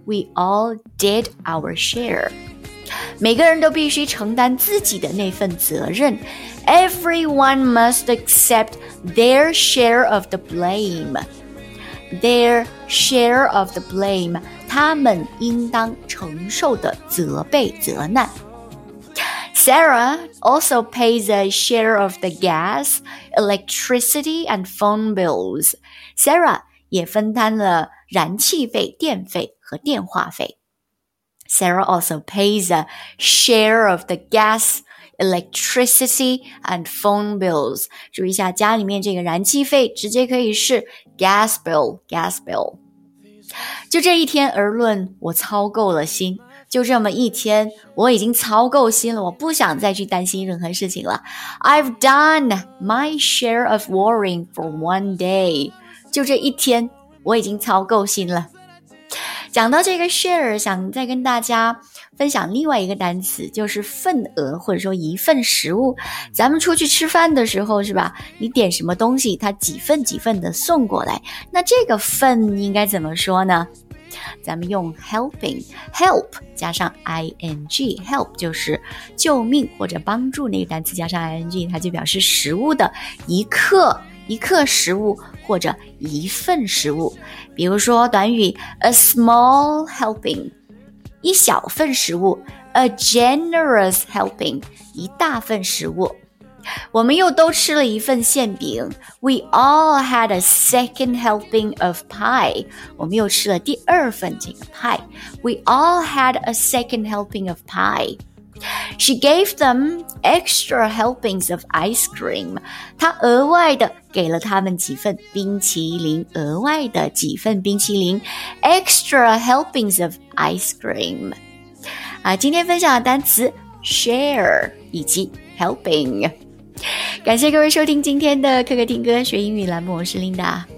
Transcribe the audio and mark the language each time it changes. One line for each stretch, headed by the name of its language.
English: We all did our share.
Chinese: 每个人都必须承担自己的那份责任。
English: Everyone must accept their share of the blame. Their share of the blame.
Chinese: 他们应当承受的责备责难。
English: Sarah also pays a share of the gas, electricity, and phone bills.
Chinese: Sarah 也分担了燃气费、电费和电话费。
English: Sarah also pays a share of the gas, electricity, and phone bills.
Chinese: 注意一下家里面这个燃气费直接可以是 gas bill, gas bill. 就这一天而论，我操够了心。就这么一天，我已经操够心了，我不想再去担心任何事情了。
English: I've done my share of worrying for one day.
Chinese: 就这一天，我已经操够心了。讲到这个 share, 想再跟大家分享另外一个单词，就是份额或者说一份食物。咱们出去吃饭的时候是吧，你点什么东西它几份几份的送过来。那这个份应该怎么说呢？咱们用 helping, help 加上 ing, help 就是救命或者帮助那个单词加上 ing, 它就表示食物的一克。一克食物或者一份食物，比如说短语
English: a small helping,
Chinese: 一小份食物
English: a generous helping,
Chinese: 一大份食物。我们又都吃了一份馅饼 ,
English: we all had a second helping of pie,
Chinese: 我们又吃了第二份这个 pie, we all had a second helping of pie.
English: She gave them extra helpings of ice cream.
Chinese: 她额外的给了他们几份冰淇淋，额外的几份冰淇淋 ,
English: extra helpings of ice cream.
Chinese: 啊，今天分享的单词 share 以及 helping. 感谢各位收听今天的可可听歌学英语栏目，我是 Linda。